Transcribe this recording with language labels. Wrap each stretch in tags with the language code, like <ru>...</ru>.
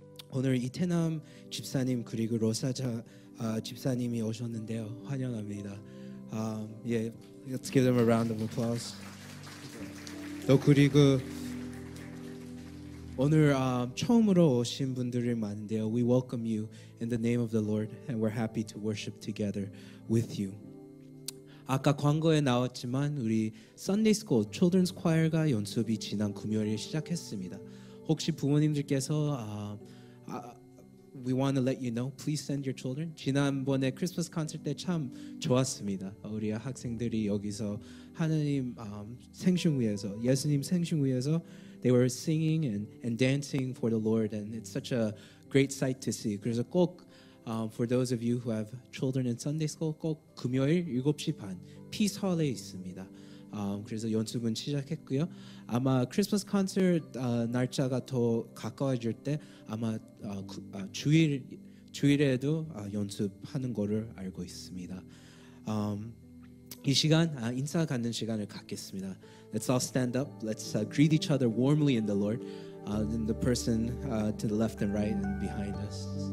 <ko>오늘 이태남 집사님 그리고 로사자 집사님이 오셨는데요. 환영합니다.</ko> <en>Let's give them a round of applause.</en> <ko>또 그리고 오늘 처음으로 오신 분들이 많은데요.</ko> <en>We welcome you in the name of the Lord and we're happy to worship together with you.</en> <ko>아까 광고에 나왔지만 우리 Sunday School Children's Choir가 연습이 지난 금요일에 시작했습니다. 혹시 부모님들께서</ko> <en>We want to let you know, please send your children.</en> <ko>지난번에 크리스마스 콘서트 때 참 좋았습니다. 우리 학생들이 여기서 하느님 생신 위해서,</ko> <en>예수님 생신 위해서 they were singing and dancing for the Lord and it's such a great sight to see.</en> <ko>그래서 꼭</ko> <en>for those of you who have children in Sunday school,</en> <ko>꼭 금요일 7시 반, Peace Hall에 있습니다. 그래서 연습은 시작했고요. 아마 크리스마스 콘서트 날짜가 더 가까워질 때 아마 주일에도 연습하는 거를 알고 있습니다. 이 시간 인사 갖는 시간을 갖겠습니다.</ko> <en>Let's all stand up. Let's greet each other warmly in the Lord. And the person to the left and right and behind us.</en>